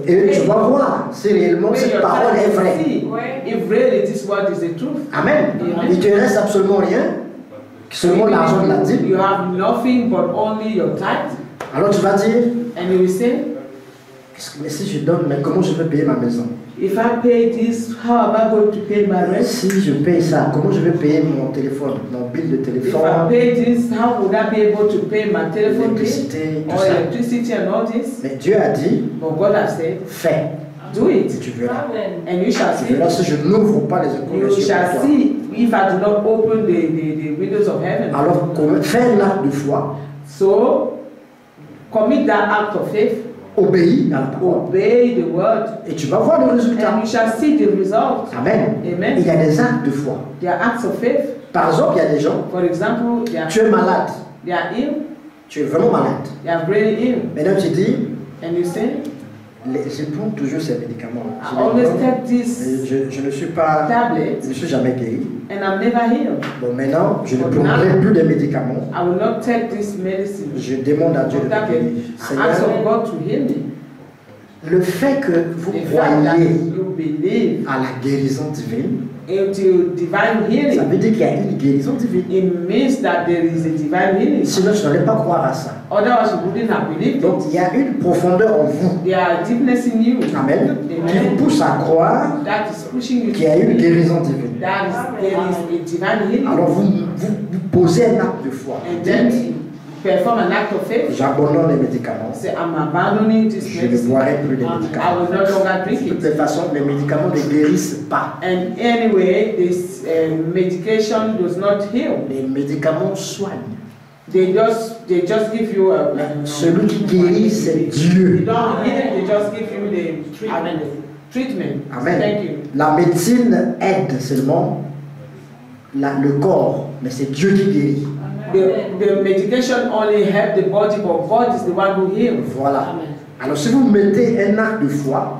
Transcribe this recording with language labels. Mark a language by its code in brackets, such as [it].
[fr] Et tu vas voir si réellement cette parole est vraie. [en] See, if really this word is the truth. [fr] Amen. Il te reste absolument rien. Seulement l'argent de la dîme. [en] You have nothing but only your tithe. [fr] Alors tu vas dire. [en] And he will say. [fr] Mais si je donne, mais comment je vais payer ma maison? [en] If I pay this, how am I going to pay my rent? [fr] Si je paye ça, comment je vais payer mon téléphone, mon bill de téléphone? [en] If I pay this, how would I be able to pay my telephone bill? [fr] Electricité, [en] or electricity and all this? [fr] Mais Dieu a dit. [en] But God has said. [fr] Fais. [en] Do it. [fr] Et tu verras. [en] And you shall see. [fr] Tu verras si je n'ouvre pas les écoles. [en] You shall see if I do not open the windows of heaven. [fr] Alors, fais l'acte de foi. [en] So, commit that act of faith. [fr] Obéis à la parole. [en] Obey the word. [fr] Et tu vas voir le résultat. [en] And you shall see the result. Amen. Amen. [fr] Il y a des actes de foi. [en] There are acts of faith. [fr] Par exemple, il y a des gens. [en] For example, [fr] tu es malade. [en] They are ill. [fr] Tu es vraiment malade. [en] They are really ill. [fr] Maintenant, tu dis. [en] And you say. [fr] Je prends toujours ces médicaments. [en] I always take this. [fr] Je ne suis pas. [en] Tablet. [fr] Je ne suis jamais guéri. [en] And I'm never healed. [fr] Bon, maintenant, je ne prendrai plus des médicaments. [en] I will not take this medicine. [fr] Je demande à Dieu de me guérir. [en] Seigneur, ask of God to heal me. [fr] Le fait que vous croyez à la guérison divine. [en] Into divine healing. [fr] Ça veut dire qu'il y a une guérison divine. [en] It means that there is a divine healing. [fr] Sinon, je n'allais pas croire à ça. [en] Otherwise, you wouldn't have believed. [fr] Donc, il y a une profondeur en vous. [en] There are deepness in you. Amen. Amen. [fr] Qui vous pousse à croire. [en] That is pushing you. [fr] Qu'il y a une guérison divine. [en] That is, there is a divine healing. [fr] Alors, vous posez un acte de foi. [en] And then, perform an act of faith. [fr] J'abandonne les médicaments. [en] I'm abandoning this medicine. [fr] Je ne boirai plus les médicaments. [en] I will no longer drink it. [fr] De toute façon, les médicaments ne guérissent pas. [en] And anyway, this medication does not heal. [fr] Les médicaments soignent. [en] They just give you a. [fr] Celui qui guérit, c'est Dieu. [en] They don't heal. They just give you the treatment. Amen. Thank you. [fr] La médecine aide seulement le corps, mais c'est Dieu qui guérit. [en] The medication only helps the body, but God is the one who heals. [fr] Voilà. Amen. Alors si vous mettez un acte de foi,